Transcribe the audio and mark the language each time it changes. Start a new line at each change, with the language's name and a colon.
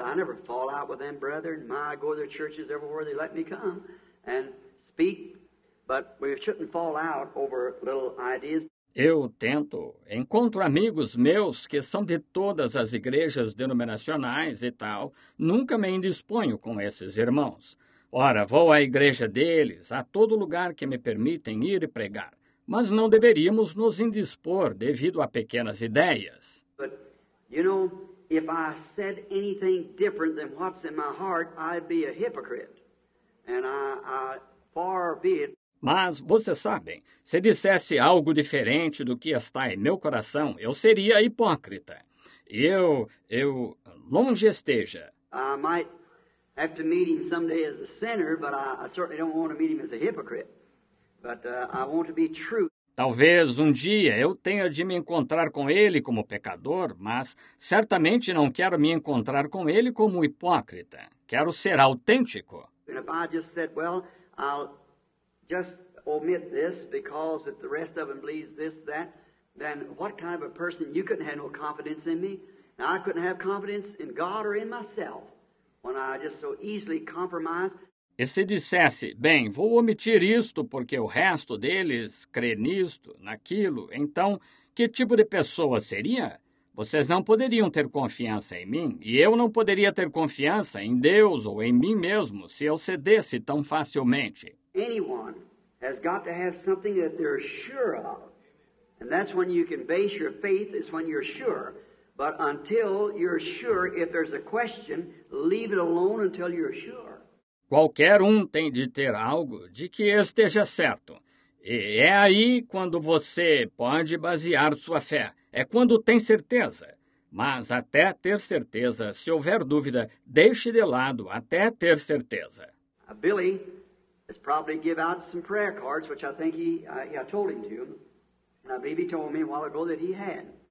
English: I never fall out with them, brother. I go to their churches everywhere they let me come and speak. But we shouldn't fall out over little ideas.
Portuguese: Eu tento. Encontro amigos meus que são de todas as igrejas denominacionais e tal. Nunca me indisponho com esses irmãos. Ora, vou à igreja deles, a todo lugar que me permitem ir e pregar. Mas não deveríamos nos indispor devido a pequenas ideias.
English: But, you know, if I said anything different than what's in my heart, I'd be a hypocrite. And I far be it.
Portuguese: Mas, vocês sabem, se dissesse algo diferente do que está em meu coração, eu seria hipócrita. Eu, longe esteja.
English: I might have to meet him someday as a sinner, but I certainly don't want to meet him as a hypocrite. But I want to be true.
Portuguese: Talvez um dia eu tenha de me encontrar com ele como pecador, mas certamente não quero me encontrar com ele como hipócrita. Quero ser autêntico.
English: And if I just said, well, I'll just omit this because if the rest of them believes this, that, then what kind of a person, you couldn't have no confidence in me. Now, I couldn't have confidence in God or in myself when I just so easily compromise.
Portuguese: E se dissesse, bem, vou omitir isto porque o resto deles crê nisto, naquilo, então, que tipo de pessoa seria? Vocês não poderiam ter confiança em mim, e eu não poderia ter confiança em Deus ou em mim mesmo se eu cedesse tão facilmente.
English: Anyone has got to have something that they're sure of. And that's when you can base your faith, is when you're sure. But until you're sure, if there's a question, leave it alone until you're sure.
Portuguese: Qualquer um tem de ter algo de que esteja certo. E é aí quando você pode basear sua fé. É quando tem certeza. Mas até ter certeza, se houver dúvida, deixe de lado até ter certeza.
English: A Billy has probably given out some prayer cards, which I think I told him to. And I believe he told me a while ago that he had.